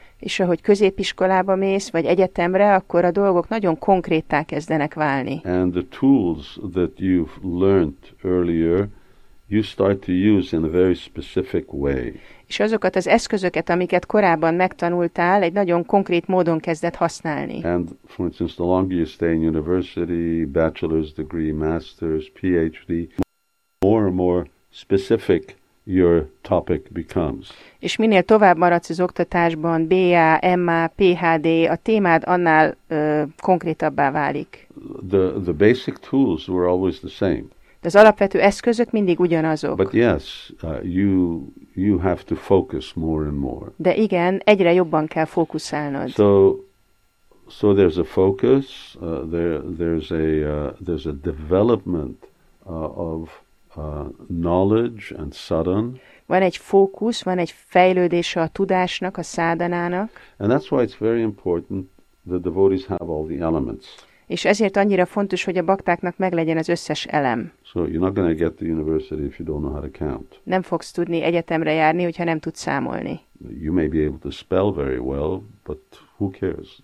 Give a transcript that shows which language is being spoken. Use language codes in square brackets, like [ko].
[hu] És ahogy középiskolába mész, vagy egyetemre, akkor a dolgok nagyon konkréttá kezdenek válni. [en] And the tools that you've learned earlier, you start to use in a very specific way. [hu] És azokat az eszközöket, amiket korábban megtanultál, egy nagyon konkrét módon kezdett használni. [en] And for instance, the longer you stay in university, bachelor's degree, master's, PhD, more and more specific your topic becomes. [hu] És minél tovább maradsz az oktatásban, BA, MA, PhD, a témád annál konkrétabbá válik. [en] The basic tools were always the same. [hu] De az alapvető eszközök mindig ugyanazok. [en] But yes, you have to focus more and more. [hu] De igen, egyre jobban kell fókuszálnod. [en] So there's a focus, there's a development of knowledge and sadhan. [hu] Van egy fókusz, van egy fejlődése a tudásnak, a sadhanának. [en] And that's why it's very important the devotees have all the elements. [hu] És ezért annyira fontos, hogy a baktáknak meglegyen az összes elem. [en] So you're not going to get to university if you don't know how to count. [hu] Nem fogsz tudni egyetemre járni, hogyha nem tudsz számolni. [en] You may be able to spell very well, but who cares?